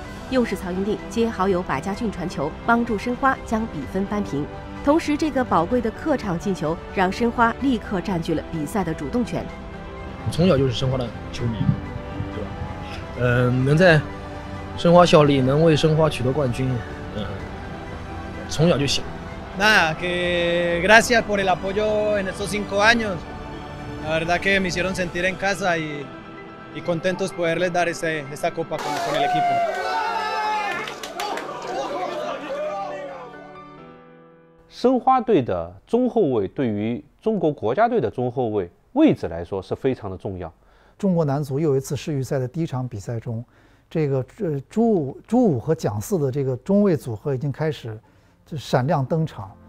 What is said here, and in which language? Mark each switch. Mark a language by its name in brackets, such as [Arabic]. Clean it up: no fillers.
[Chinese] 又是曹云定接好友把家俊传球，帮助申花将比分扳平。同时，这个宝贵的客场进球让申花立刻占据了比赛的主动权。我从小就是申花的球迷，对吧？能在申花效力，能为申花取得冠军，从小就想。 [Spanish] Nada, que gracias por el apoyo en estos 5 años. La verdad que me hicieron sentir en casa y contentos poderles dar esta copa con el equipo. [Chinese] 申花队的中后卫对于中国国家队的中后卫位置来说是非常的重要。中国男足又一次世预赛的第一场比赛中，这个朱武和蒋四的这个中卫组合已经开始就闪亮登场。